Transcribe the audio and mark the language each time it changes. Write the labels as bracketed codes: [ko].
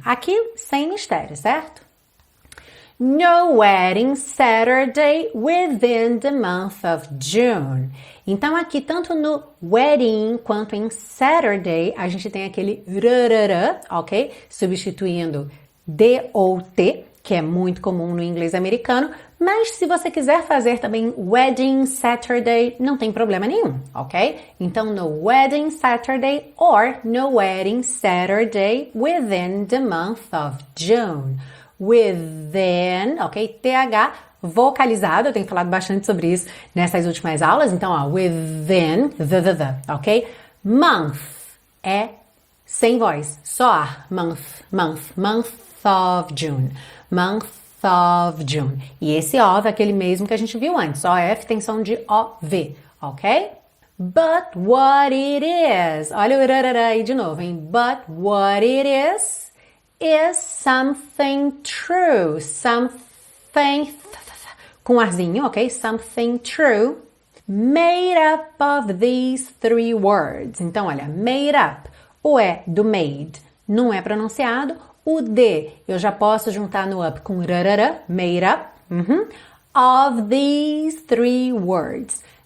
[pt] Aqui, sem mistério, certo? [en] No wedding Saturday within the month of June. [pt] Então, aqui, tanto no wedding quanto em Saturday, a gente tem aquele rrrrrr, ok? Substituindo D ou T, que é muito comum no inglês americano. Mas se você quiser fazer também [en] wedding Saturday, [pt] não tem problema nenhum, ok? [en] Então, no wedding Saturday or no wedding Saturday within the month of June. Within, ok? [pt] TH vocalizado, eu tenho falado bastante sobre isso nessas últimas aulas. Então, ó, within, the, ok? Month é sem voz, só ar. [en] Month of June. Month of June. [pt] E esse of é aquele mesmo que a gente viu antes. OF tem som de OV, ok? [en] But what it is, [pt] olha o irarará aí de novo, hein? [en] But what it is. Is something true, something, [pt] com arzinho, ok? [en] Something true, made up of these three words. [pt] Então, olha, made up, o E do made não é pronunciado, o D eu já posso juntar no up com rarara, made up, uhum. [en] Of these three words.